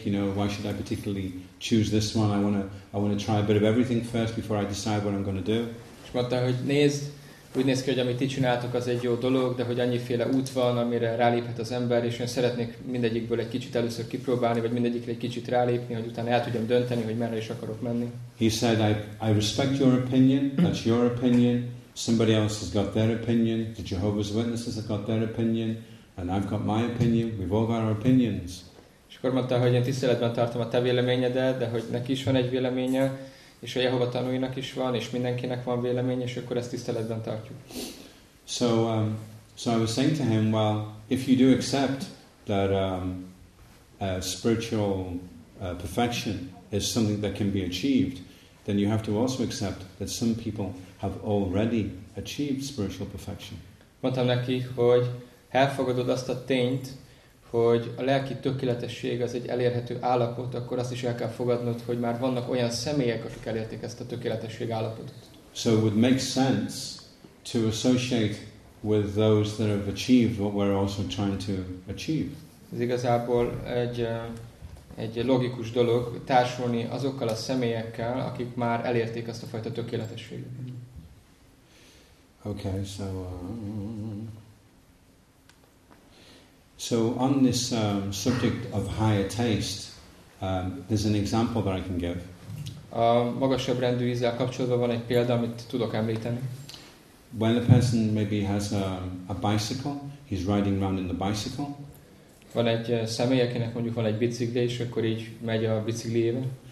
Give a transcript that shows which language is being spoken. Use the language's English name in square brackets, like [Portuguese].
[English] Why should I particularly choose this one? I want to try a bit of everything first before I decide what I'm going to do. [Hungarian] És mondta, hogy nézd, úgy néz ki, hogy amit ti csináltok, az egy jó dolog, de hogy annyiféle út van, amire ráléphet az ember, és én szeretnék mindegyikből egy kicsit először kipróbálni, vagy mindegyikre egy kicsit rálépni, hogy utána el tudjam dönteni, hogy merre is akarok menni. [English] He said, I respect your opinion, that's your opinion, somebody else has got their opinion, the Jehovah's Witnesses have got their opinion, and I've got my opinion, we've all got our opinions. [Hungarian] És akkor mondta, hogy én tiszteletben tartom a te véleményedet, de hogy neki is van egy véleménye, és a Jehova tanúinak is van, és mindenkinek van véleménye, és akkor ezt tiszteletben tartjuk. [English] So I was saying to him, well, if you do accept that spiritual perfection is something that can be achieved, then you have to also accept that some people have already achieved spiritual perfection. [Hungarian] Mondtam neki, hogy elfogadod azt a tényt, hogy a lelki tökéletesség az egy elérhető állapot, akkor azt is el kell fogadnod, hogy már vannak olyan személyek, akik elérték ezt a tökéletesség állapotot. [English] So it would make sense to associate with those that have achieved what we're also trying to achieve. [Hungarian] Ez igazából egy logikus dolog, társulni azokkal a személyekkel, akik már elérték ezt a fajta tökéletességet. [English] Okay, So on this subject of higher taste, there's an example that I can give. [Hungarian] A magasabb rendű ízzel kapcsolatban van egy példa, amit tudok említeni. [English] When a person maybe has a bicycle, he's riding around in the bicycle. [Hungarian] Van egy személy, akinek mondjuk van egy bicikli, és akkor így megy a bicikliével.